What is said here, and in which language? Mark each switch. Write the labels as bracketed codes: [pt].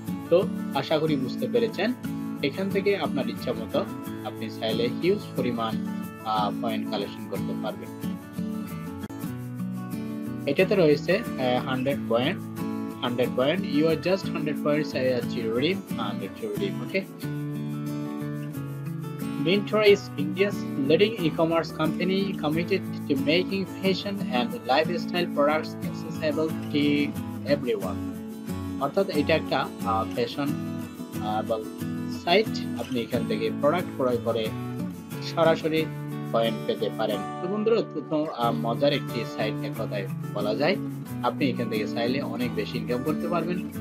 [bn] তো আশা করি বুঝতে পেরেছেন, এখান থেকে আপনার ইচ্ছা মতো আপনি চাইলে হিউজ পরিমাণ পয়েন্ট কালেকশন করতে পারবেন। এটাতে রয়েছে 100 point, [en] You are just 100 points I achieve redeem 100 to redeem. Okay, Myntra is India's leading e-commerce company committed to making fashion and lifestyle products accessible to everyone. [bn] অর্থাৎ এটা একটা ফ্যাশন সাইট, আপনি এখান থেকে প্রোডাক্ট ক্রয় করে সরাসরি কয়েন পেতে পারেন। তো বন্ধুরা প্রথম মজার একটি সাইট কথায় বলা যায়, আপনি এখান থেকে চাইলে অনেক বেশি ইনকাম করতে পারবেন।